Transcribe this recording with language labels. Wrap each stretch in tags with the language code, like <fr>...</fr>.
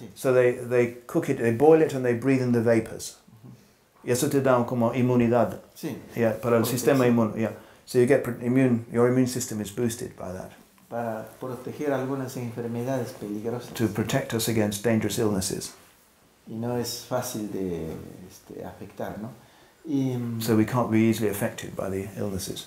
<en>So they cook it, they boil it and they breathe in the vapors.</en> <es>Uh-huh. Y eso te da como inmunidad. Sí. Yeah, para el sistema inmune. Yeah.</es> <en>So you get your immune system is boosted by that.</en> <es>Para proteger algunas enfermedades peligrosas.</es> <en>To protect us against dangerous illnesses.</en> <es>Y no es fácil de afectar, ¿no?</es> <en>So we can't be easily affected by the illnesses.</en>